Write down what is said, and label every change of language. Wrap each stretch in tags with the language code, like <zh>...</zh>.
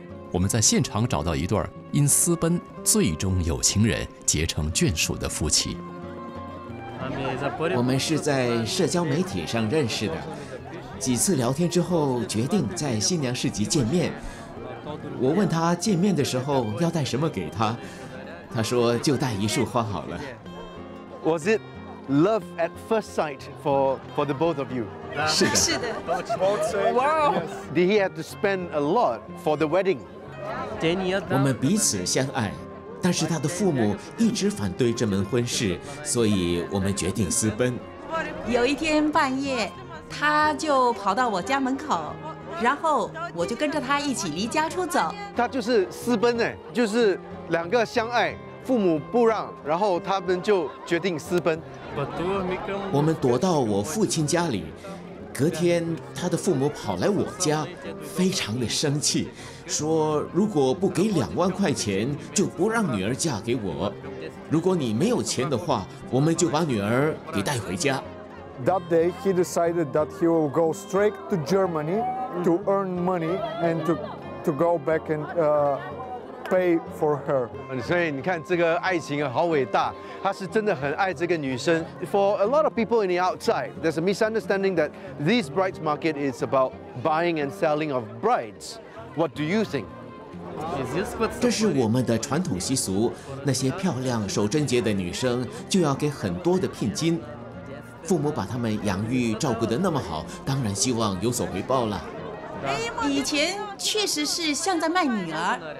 <zh>我们在现场找到一对因私奔最终有情人结成眷属的夫妻。我们是在社交媒体上认识的，几次聊天之后决定在新娘市集见面。我问他见面的时候要带什么给他，他说就带一束花好了。</zh> <en>Was it love at first sight for the both of you?</en> <zh>是的。</zh> <en>Wow! Did he have to spend a lot for the wedding?</en> <zh>我们彼此相爱，但是他的父母一直反对这门婚事，所以我们决定私奔。有一天半夜，他就跑到我家门口，然后我就跟着他一起离家出走。他就是私奔哎，就是两个相爱，父母不让，然后他们就决定私奔。我们躲到我父亲家里，隔天他的父母跑来我家，非常的生气，说如果不给20,000块钱就不让女儿嫁给我，如果你没有钱的话，我们就把女儿给带回家。</zh> <en>That day he decided that he will go straight to Germany to earn money and to go back andpay for her.</en> <zh>所以你看这个爱情好伟大，他是真的很爱这个女生。</zh> <en>For a lot of people in the outside, there's a misunderstanding that this bride's market is about buying and selling of brides. What do you think?</en> <zh>这是我们的传统习俗，那些漂亮守贞洁的女生就要给很多的聘金，父母把她们养育照顾得那么好，当然希望有所回报了。以前确实是像在卖女儿。</zh>